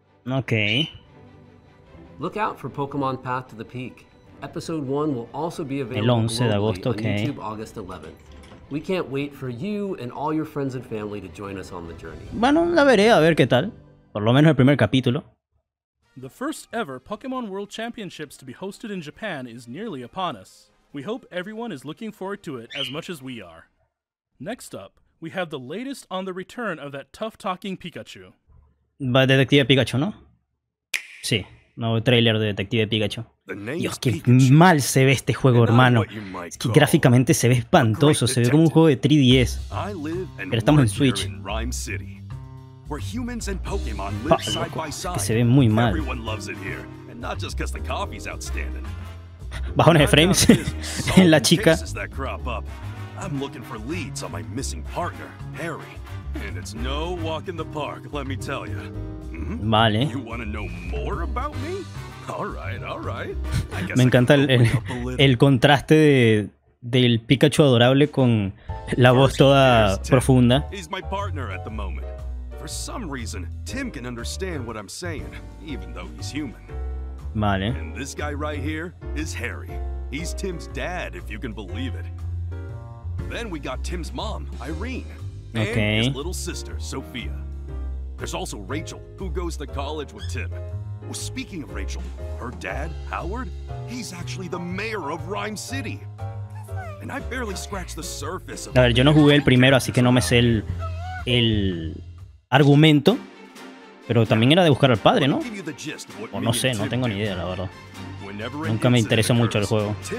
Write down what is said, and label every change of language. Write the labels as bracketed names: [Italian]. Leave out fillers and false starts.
[English] Okay. Look out for Pokémon Path to the Peak. Episode 1 will also be available [Spanish] el 11 de agosto, okay. [English] On YouTube August 11th. We can't wait for you and all your friends and family to join us on the journey. [Spanish] Bueno, la veré, a ver qué tal. Por lo menos el primer capítulo. [English] The first ever Pokémon World Championships to be hosted in Japan is nearly upon us. We hope everyone is looking forward to it as much as we are. Next up, we have the latest on the return of that tough-talking Pikachu. [Spanish] Va Detective Pikachu, ¿no? Sí, nuevo trailer de Detective Pikachu. Dios, qué mal se ve este juego, hermano. Es que gráficamente se ve espantoso, se ve como un juego de 3DS. Pero estamos en Switch. [English] Where humans and Pokemon live side by side. [Spanish] Se ve muy mal. [English] Everyone loves it here, and not just because the coffee's outstanding. [Spanish] Bajones de frames. La chica. [English] I'm looking for leads on my missing partner, Harry. And it's no walk in the park, let me tell you. [Spanish] Mm-hmm. Vale. [English] You want to know more about me? All right, all right. [Spanish] Me encanta el contraste del Pikachu adorable con la voz toda profunda. [English] He's my partner at the moment. For some reason, Tim can understand what I'm saying, even though he's human. [Spanish] Vale. [English] And this guy right here is Harry. He's Tim's dad, if you can believe it. Then we got Tim's mom, Irene. Okay. And his little sister, Sophia. There's also Rachel, who goes to college with Tim. Well, speaking of Rachel, her dad, Howard, he's actually the mayor of Rhyme City. And I barely scratched the surface of... [Spanish] A ver, yo no jugué el primero, así que no me sé el argumento, pero también era de buscar al padre, ¿no? O no sé, no tengo ni idea, la verdad. Nunca me interesó mucho el juego.